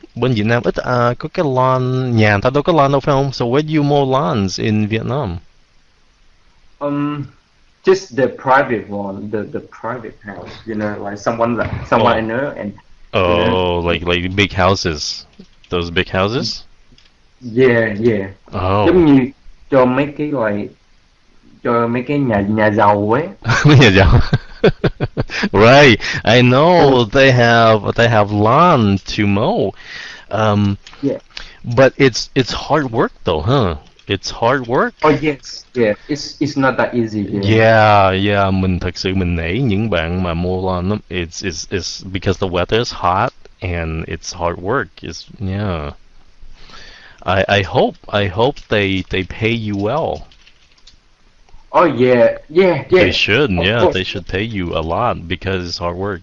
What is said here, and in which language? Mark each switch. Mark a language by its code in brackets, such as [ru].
[vi] Bên Việt Nam ít có cái lawn nhà ta đâu có lawn đâu phải không? [en] So where do you mow lawns in Vietnam? Just the private one, the private house, you know, like someone oh. I know and oh, you know. like big houses, those big houses. Yeah, yeah. Oh. [vi] Giống như cho mấy cái like cho mấy cái nhà giàu ấy. Nhà giàu. [en] Right, I know they have lawn to mow. Yeah. But it's hard work though, huh? It's hard work. Oh yes, yeah. It's not that easy. Yeah, yeah. Yeah. [vi] Mình thật sự mình nể những bạn mà mua lon. [en] It's because the weather is hot and it's hard work. It's yeah. I hope they pay you well. Oh yeah. They should. Of course. They should pay you a lot because it's hard work.